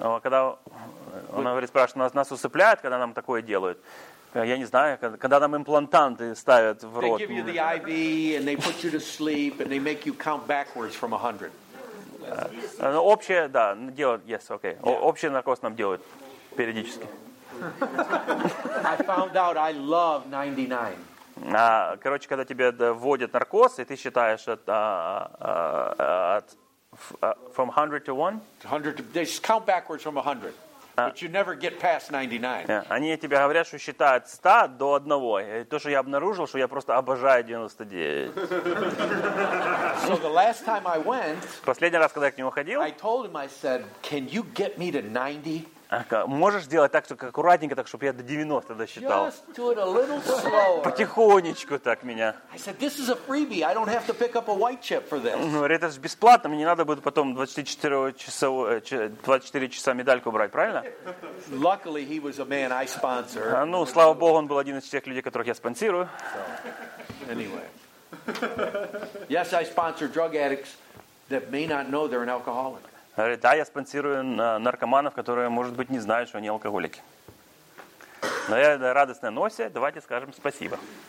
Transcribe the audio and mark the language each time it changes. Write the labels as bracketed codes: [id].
[ru] Когда он говорит, спрашивает, нас усыпляют, когда нам такое делают? Я не знаю, когда нам имплантанты ставят в рот. [en] They give you the IV and they put you to sleep and they make you count backwards from 100. [ru] Общее, да, делают, [en] yes, okay. [ru] Общий наркоз нам делают периодически. [en] I found out I love 99. [ru] Короче, когда тебе вводят наркоз, и ты считаешь [en] from 100 to 1? 100 to, they just count backwards from 100. But you never get past 99. Yeah. [ru] Они тебе говорят, что считают 100 до 1. И то, что я обнаружил, что я просто обожаю 99. [en] So the last time I went, [ru] последний раз, когда я к нему ходил, [en] I told him, I said, can you get me to 90? [ru] Можешь сделать так, чтобы аккуратненько, так, чтобы я до 90 досчитал? [en] Just do it a little slower. [ru] Потихонечку так меня. [en] I said, this is a freebie. I don't have to pick up a white chip for this. [ru] Ну, это же бесплатно. Мне не надо будет потом 24 часа медальку брать, правильно? [en] Luckily, he was a man I sponsor. [ru] Ну, слава богу, он был один из тех людей, которых я спонсирую. [en] So, anyway. Yes, I sponsor drug addicts that may not know they're an alcoholic. [ru] Говорит, да, я спонсирую наркоманов, которые, может быть, не знают, что они алкоголики. Но я радостная новость. Давайте скажем спасибо.